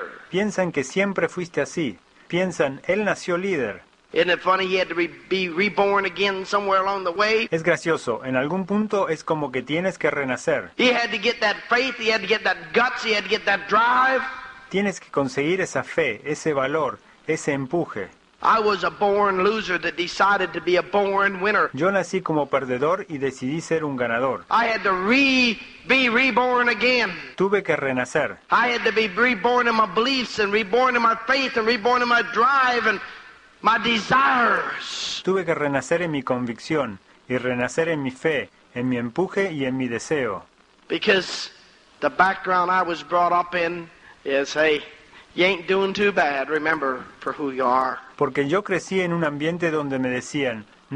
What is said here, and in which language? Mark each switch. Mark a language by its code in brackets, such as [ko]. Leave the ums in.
[es] Piensan que siempre fuiste así. Piensan, él nació líder. [en] Isn't it funny he had to be reborn again somewhere along the way? [es] Es gracioso, en algún punto es como que tienes que renacer. [en] He had to get that faith, he had to get that guts, he had to get that drive. [es] Tienes que conseguir esa fe, ese valor, ese empuje. [en] I was a born loser that decided to be a born winner. [es] Yo nací como perdedor y decidí ser un ganador. [en] I had to re be reborn again. [es] Tuve que renacer. [en] I had to be reborn in my beliefs and reborn in my faith and reborn in my drive and my desires. [es] Tuve que renacer en mi convicción y renacer en mi fe, en mi empuje y en mi deseo. [en] Because the background I was brought up in is hey, you ain't doing too bad, remember for who you are. [es] Porque yo crecí en un ambiente donde me decían